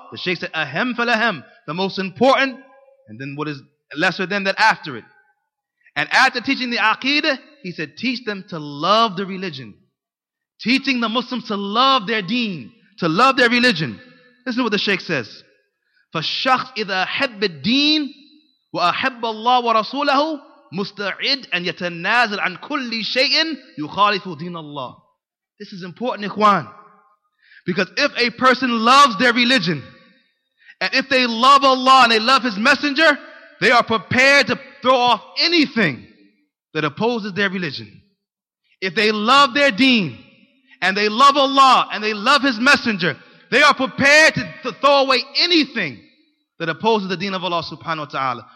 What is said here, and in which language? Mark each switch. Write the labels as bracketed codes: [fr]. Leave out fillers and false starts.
[en] The Shaykh said, ahem falahem, the most important, and then what is lesser than that after it. And after teaching the aqeedah, he said, teach them to love the religion. Teaching the Muslims to love their deen, to love their religion. Listen to what the Shaykh says. [ar] فَالشَّخْصْ إِذَا حَبِّ الدِّينِ وأحب الله ورسوله مستعد أن يتنازل عن كل شيء يخالف دين الله. [en] This is important, Ikhwan. Because if a person loves their religion, and if they love Allah and they love His Messenger, they are prepared to throw off anything that opposes their religion. If they love their deen, and they love Allah and they love His Messenger, they are prepared to throw away anything that opposes the deen of Allah subhanahu wa ta'ala.